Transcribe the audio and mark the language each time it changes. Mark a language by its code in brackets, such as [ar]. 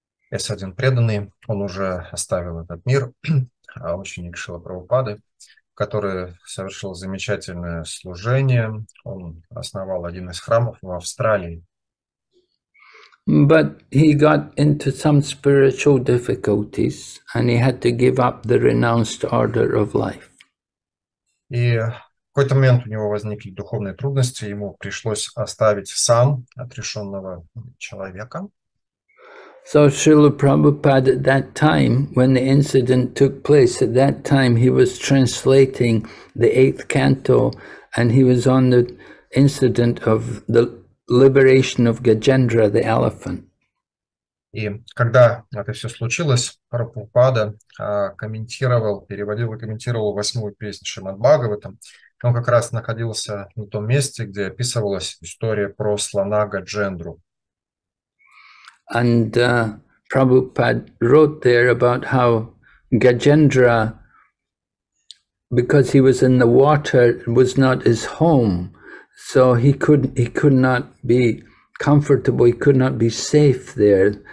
[ru] Есть один преданный, он уже оставил этот мир, ученик Шрила Прабхупады, который совершил замечательное служение. Он основал один из храмов в Австралии. [en] But he got into some spiritual difficulties, and he had to give up the renounced order of life. [ru] И в какой-то момент у него возникли духовные трудности, ему пришлось оставить сан отрешенного человека. [en] So Srila Prabhupada at that time, when the incident took place, at that time he was translating the eighth canto and he was on the incident of the liberation of Gajendra, the elephant. [ru] И когда это все случилось, Прабхупада комментировал восьмую песню Шримад-Бхагаватам. Он как раз находился на том месте, где описывалась история про слона Гаджендру. [en] And Prabhupada wrote there about how Gajendra, because he was in the water, was not his home, so he could not be comfortable, he could not be safe there.